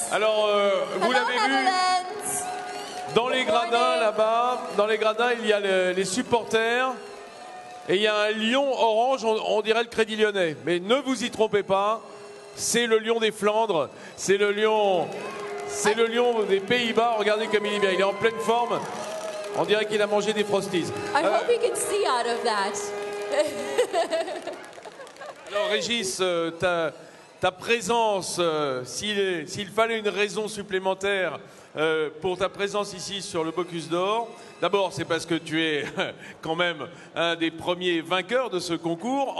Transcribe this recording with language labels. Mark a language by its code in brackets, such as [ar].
[fr] Alors, vous l'avez vu, dans les gradins là-bas, dans les gradins, il y a les supporters et il y a un lion orange, on dirait le Crédit Lyonnais. Mais ne vous y trompez pas, c'est le lion des Flandres, c'est le lion des Pays-Bas. Regardez comme il est bien, il est en pleine forme. On dirait qu'il a mangé des Frosties. [en] I hope he can see out of that. [fr] Alors Régis, ta présence, s'il fallait une raison supplémentaire pour ta présence ici sur le Bocuse d'Or, d'abord c'est parce que tu es quand même un des premiers vainqueurs de ce concours.